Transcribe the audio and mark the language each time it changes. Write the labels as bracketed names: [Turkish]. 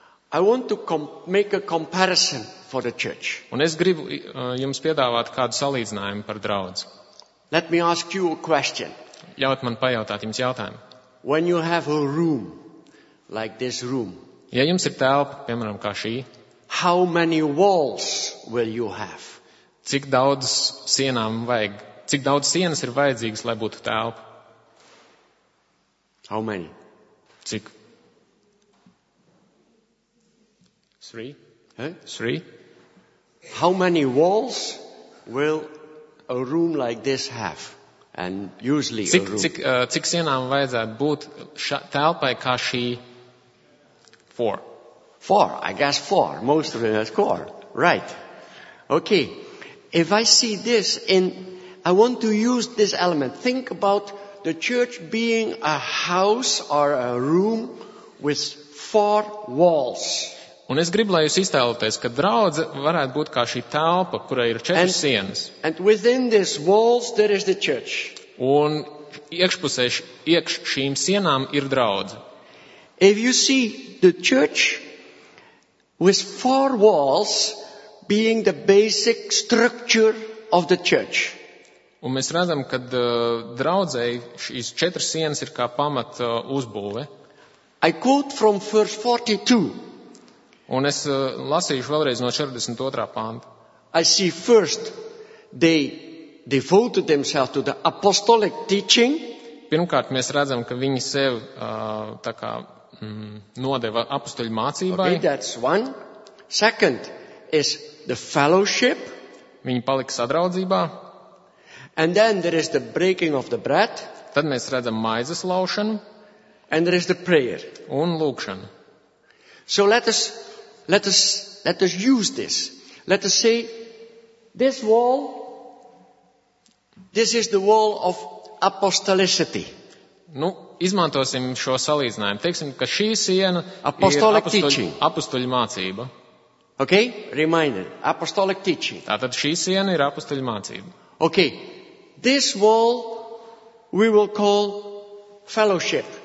[English] I want to make a comparison for the church. [Latvian] Un es gribu jums piedāvāt kādu salīdzinājumu par draudz. [English] Let me ask you a question. [Latvian] Ļaut man pajautāt jums jautājumu. [English] When you have a room, like this room, [Latvian] ja jums ir telpa, piemēram, kā šī, [English] how many walls will you have? [Latvian] Cik daudz sienām vajag, cik daudz sienas ir vajadzīgas, lai būtu telpa? [English] How many? [Latvian] Cik? [English] Three? Huh? Three? How many walls will a room like this have, and usually [Latvian] cik, [English] a room. [Latvian] Cik sienām vajadzētu būt telpai kā šī? [English] Four. Four, I guess four, most of them are four. Right. Okay. If I see this in, I want to use this element. Think about the church being a house or a room with four walls. [Latvian] Un es gribu, lai jūs iztēloties, ka draudze varētu būt kā šī telpa, kurai ir četras sienas. [English] And within this walls there is the church. [Latvian] Un iekšpusē iekš šīm sienām ir draudze. [English] If you see the church with four walls being the basic structure of the church. [Latvian] Un mēs redzam, ka draudzei šīs četras sienas ir kā pamat uzbūve. [English] I quote from verse 42. [Latvian] Un es lasīšu vēlreiz no 42. Pānta. [English] I see first they devoted themselves to the apostolic teaching. [Latvian] Pirmkārt, mēs redzam, ka viņi sev tā kā nodeva apostoļu mācībai. [English] Okay, that's one. Second is the fellowship. [Latvian] Viņi palika sadraudzībā. [English] And then there is the breaking of the bread. [Latvian] Tad mēs redzam maizes laušanu. [English] And there is the prayer. [Latvian] Un lūkšanu. [English] So let us use this. Let us say this wall, this is the wall of apostolicity. [Latvian] Nu, izmantosim šo salīdzinājumu. Teiksim, ka šī siena [English] apostolic [Latvian] ir apostoļu mācība. [English] Okay, reminder, apostolic teaching. [Latvian] Tātad šī siena ir apostoļu mācība. [English] Okay, this wall we will call fellowship.